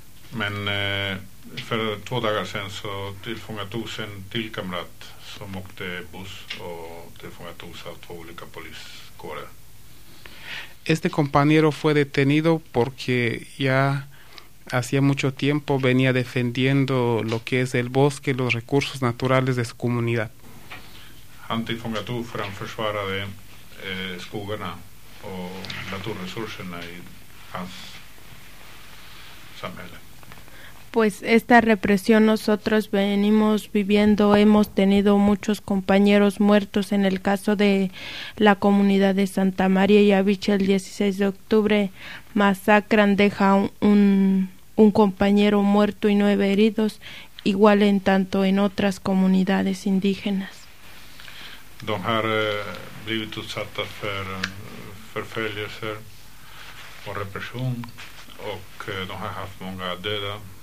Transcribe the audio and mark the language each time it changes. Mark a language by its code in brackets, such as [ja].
[sv] Men för 2 dagar sen så tillfångatogs en till kamrat som åkte buss och tillfångatogs av 2 olika poliskårer. [es] Este compañero fue detenido porque ya hacía mucho tiempo venía defendiendo lo que es el bosque, los recursos naturales de su comunidad. [sv] Han tillfångatog för han försvarade skogarna och naturresurserna i hans samhälle. [es] Pues esta represión nosotros venimos viviendo, hemos tenido muchos compañeros muertos en el caso de la comunidad de Santa María y Aviche. El 16 de octubre masacran, deja un compañero muerto y 9 heridos, igual en tanto en otras comunidades indígenas. [sv] De har blivit utsatta för förföljelser och repression, och de har haft många döda.